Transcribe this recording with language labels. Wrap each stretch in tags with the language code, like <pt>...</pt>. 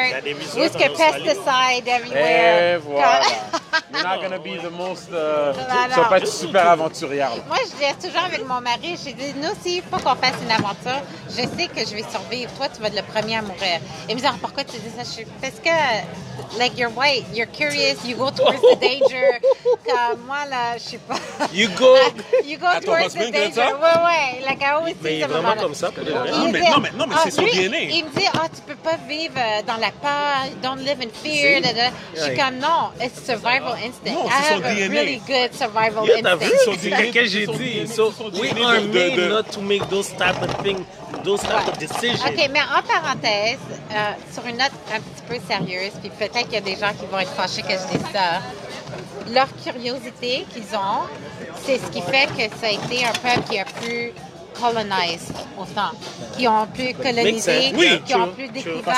<fr>Il y a des resorts en Australie. Où est-ce que pesticide everywhere. Et voilà.</fr> <en>You're not gonna be the most...</en> <fr>Tu vas pas être super aventurière. Moi, je dis toujours avec mon mari, je dis, nous, s'il faut qu'on fasse une aventure, je sais que je vais survivre. Toi, tu vas être le premier à mourir. Et me dire, pourquoi tu dis ça? Parce que...</fr> <en>Like, you're white, you're curious, you go towards the danger.</en> <fr>Comme moi, là, je sais pas.</fr> <en>You go towards the danger. Ouais. Like, I always</en> <fr>mais Mais vraiment comme ça, pour le vrai. Non, mais c'est son DNA. Il me dit, tu peux pas vivre dans la peur,</fr> <en>don't live in fear.</en> <fr>Da, da. Je suis comme, non,</fr> <en>it's survival instinct.</en> <fr>Non, c'est son DNA.</fr> <en>I have a really good survival instinct.</en> <fr>T'as vu son DNA? Qu'est-ce que j'ai dit?</fr> <en>So, we are made not to make those type of things, those type of decisions.</en> <fr>OK, mais en parenthèse, sur une note un petit peu sérieuse, puis peut-être qu'il y a des gens qui vont être fâchés que je dise ça. Leur curiosité qu'ils ont, c'est ce qui fait que ça a été un peuple qui a pu coloniser autant, qui ont pu coloniser, qui ont pu découvrir.</fr>